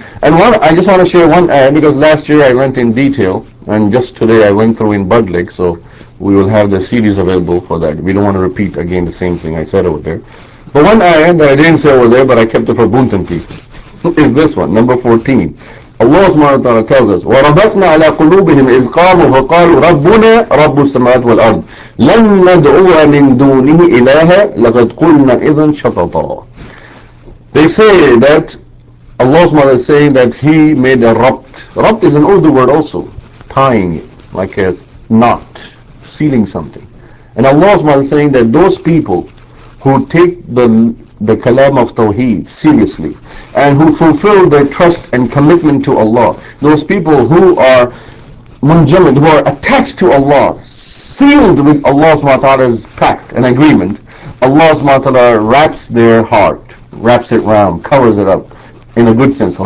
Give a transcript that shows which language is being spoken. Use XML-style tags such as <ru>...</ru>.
<en>And one, I just want to share one ayah, because last year I went in detail, and just today I went through in Budlik, so we will have the series available for that. We don't want to repeat again the same thing I said over there. But one ayah that I didn't say over there, but I kept it for Buntan people, is this one, number 14.</en> <ar>Allah subhanahu wa ta'ala</ar> <en>tells us,</en> <ar>وَرَبَطْنَا عَلَىٰ قُلُوبِهِمْ إِذْ قَالُوا فَقَالُوا رَبُّنَا رَبُّ السَّمَاوَاتِ وَالْأَرْضِ لَنْ نَدْعُوَ مِنْ دُونِهِ إِلَٰهَ لَقَدْ قُلْنَا إِذًا شَطَطًا.</ar> <en>They say that Allah subhanahu wa ta'ala is saying that He made a rabt. Rabt is an Urdu word also, tying it, like a knot, sealing something. And Allah subhanahu wa ta'ala is saying that those people who take the kalam of Tawheed seriously, and who fulfill their trust and commitment to Allah, those people who are munjamid, who are attached to Allah, sealed with Allah subhanahu wa ta'ala's pact and agreement, Allah subhanahu wa ta'ala wraps their heart, wraps it round, covers it up, in a good sense.</en>